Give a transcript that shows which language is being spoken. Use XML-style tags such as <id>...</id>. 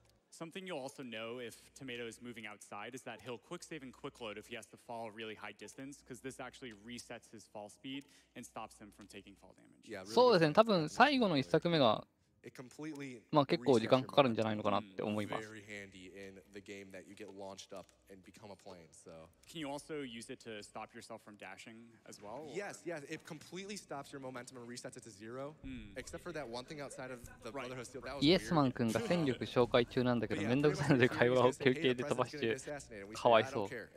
<en>Something you'll also know if Tomato is moving outside is that he'll quick save and quick load if he has to fall really high distance, because this actually resets his fall speed and stops him from taking fall damage. Yeah, really.</en> <ja>そうですね。多分最後の一作目が、まあ結構時間かかるんじゃないのかなって思います。</ja> <en>Very handy in the game that you get launched up and become a plane. So. Can you also use it to stop yourself from dashing as well? Yes, yes. It completely stops your momentum and resets it to zero. Except for that one thing outside of the Brotherhood Steel.</en> <ja>イエスマン君が戦力紹介中なんだけど、めんどくさいので会話を休憩で飛ばして、かわいそう。</ja>